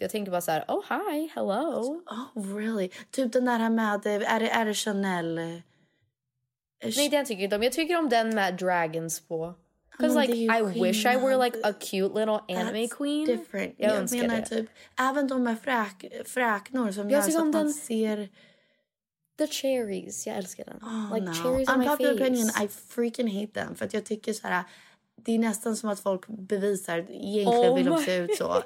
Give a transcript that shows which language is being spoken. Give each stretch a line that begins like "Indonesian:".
Swedish: Jag tänker bara så här,
English: oh, hi, hello. Oh, really?
Swedish: Typ den där här med, är det Chanel? Nej, den tycker jag inte om. Jag tycker om den med dragons på.
English: Because, like, I wish I were, like, a cute little anime that's queen. Different.
Swedish: Jag menar typ, även de med fräknor som jag gör så att man ser...
English: The cherries,
Swedish: jag älskar den.
English: Oh, like, no. Cherries on my face. Unpopular opinion, I freaking hate them.
Swedish: För att jag tycker så här, det är nästan som att folk bevisar egentligen vill de se ut så.